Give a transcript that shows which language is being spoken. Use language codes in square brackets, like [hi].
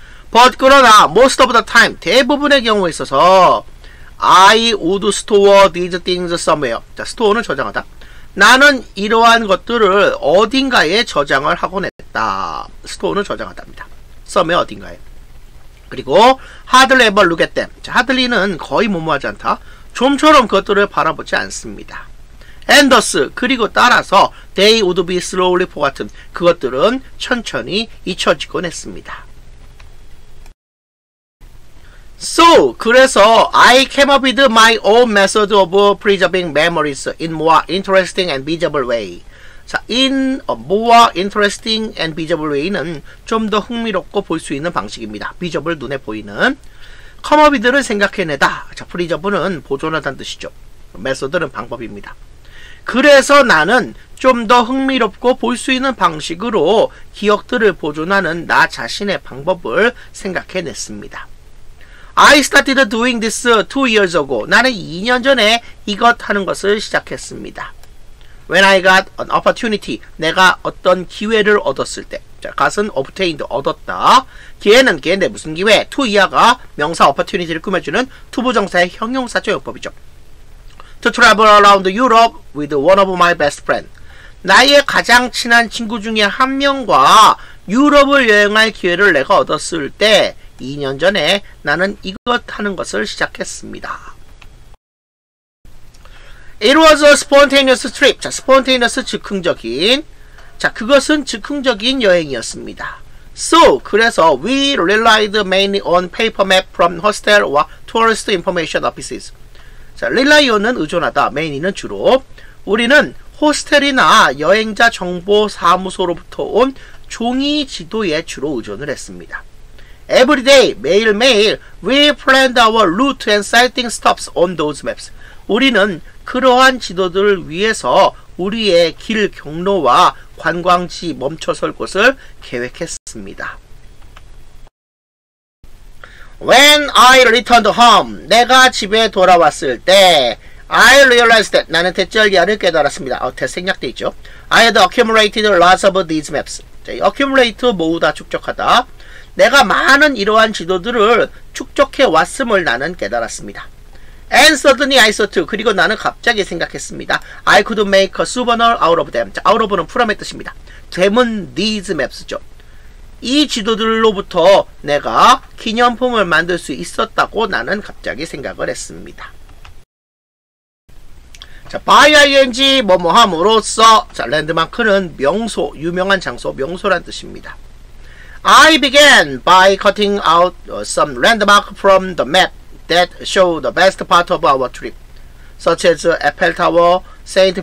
[en] But [ko] 그러나 [en] most of the time, [ko] 대부분의 경우에 있어서 [en] I would store these things somewhere. [ko] 자, store는 저장하다. 나는 이러한 것들을 어딘가에 저장을 하곤 했다. store는 저장하답니다. [en] somewhere [ko] 어딘가에. 그리고 [en] hardly ever look at them. [ko] 자, hardly는 거의 무모하지 않다. 좀처럼 그것들을 바라보지 않습니다. [en] And thus, [ko] 그리고 따라서 [en] they would be slowly forgotten. [ko] 그것들은 천천히 잊혀지곤 했습니다. [en] So, [ko] 그래서 [en] I came up with my own method of preserving memories in more interesting and visible way. 자, in a more interesting and visible way는 [ko] 좀 더 흥미롭고 볼 수 있는 방식입니다. visible, 눈에 보이는. come up with는 생각해내다. 자, preserve는 보존하다는 뜻이죠. method는 방법입니다. 그래서 나는 좀 더 흥미롭고 볼 수 있는 방식으로 기억들을 보존하는 나 자신의 방법을 생각해냈습니다. [en] I started doing this 2 years ago. [ko] 나는 2년 전에 이것 하는 것을 시작했습니다. [en] When I got an opportunity, [ko] 내가 어떤 기회를 얻었을 때. 자, got은 obtained, 얻었다. 기회는 기회인데 무슨 기회? 2 이하가 명사 opportunity를 꾸며주는 to 부정사의 형용사적 요법이죠. [en] To travel around Europe with one of my best friends. [ko] 나의 가장 친한 친구 중에 한 명과 유럽을 여행할 기회를 내가 얻었을 때 2년 전에 나는 이것 하는 것을 시작했습니다. [en] It was a spontaneous trip. 자, spontaneous [ko] 즉흥적인. 자, 그것은 즉흥적인 여행이었습니다. [en] So, [ko] 그래서 [en] we relied mainly on paper map from hostel or tourist information offices. [ko] 자, rely는 의존하다. mainly는 주로. 우리는 호스텔이나 여행자 정보 사무소로부터 온 종이 지도에 주로 의존을 했습니다. [en] Every day, [ko] 매일매일, [en] we planned our route and sighting stops on those maps. [ko] 우리는 그러한 지도들을 위해서 우리의 길 경로와 관광지 멈춰설 곳을 계획했습니다. [en] When I returned home, [ko] 내가 집에 돌아왔을 때, [en] I realized that, [ko] 나는 대절기아를 깨달았습니다. 대생략되어 있죠. [en] I had accumulated lots of these maps. accumulate, [ko] 모으다, 축적하다. 내가 많은 이러한 지도들을 축적해 왔음을 나는 깨달았습니다. [en] And suddenly I thought, [ko] 그리고 나는 갑자기 생각했습니다. [en] I could make a souvenir out of them. [ko] 자, out of는 from의 뜻입니다. them은 these maps죠. 이 지도들로부터 내가 기념품을 만들 수 있었다고 나는 갑자기 생각을 했습니다. 자, by ing 뭐뭐함으로써, 자, 랜드마크는 명소, 유명한 장소, 명소란 뜻입니다. [en] I began by cutting out some landmark from the map that show the best part of our trip, such as Eiffel Tower, St.